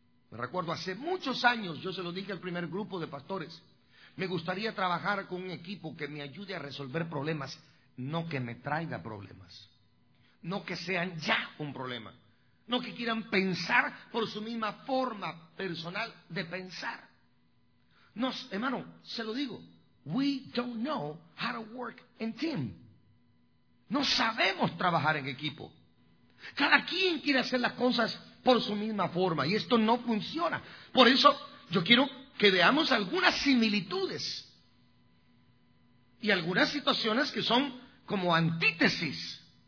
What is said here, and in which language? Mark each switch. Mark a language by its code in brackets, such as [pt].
[es] Me recuerdo hace muchos años, yo se lo dije al primer grupo de pastores, me gustaría trabajar con un equipo que me ayude a resolver problemas, no que me traiga problemas, no que sean ya un problema, no que quieran pensar por su misma forma personal de pensar. No, hermano, se lo digo, [en] we don't know how to work in team. [es] No sabemos trabajar en equipo. Cada quien quiere hacer las cosas por su misma forma y esto no funciona. Por eso yo quiero que veamos algunas similitudes y algunas situaciones que son como antítesis.